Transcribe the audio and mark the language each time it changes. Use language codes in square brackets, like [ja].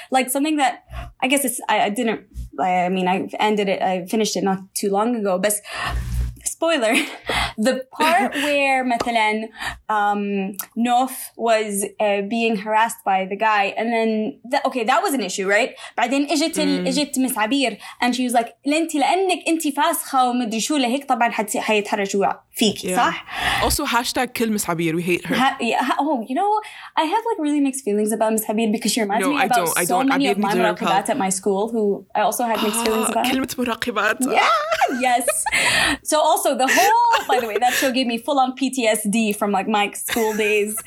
[en] Like something that I guess it's I finished it not too long ago, but spoiler, the part where [ar] مثلاً [en] Nof was being harassed by the guy, and then that was an issue, right? [ar] بعدين إجت Miss Abir, [en] and she was like, [ar] "لنتي لأنك أنتي فاسخة ومدري شو لهيك طبعاً حيتحرجوا فيك صح." [en] Also hashtag kill Miss Abir, we hate her. You know, I have like really mixed feelings about Miss Abir because she reminds me of so many of my مراقبات at my school who I also had mixed feelings about. [ar] كلمة مراقبات. [en] Yeah. Yes. So also the whole, by the way, that show gave me full on PTSD from like my school days.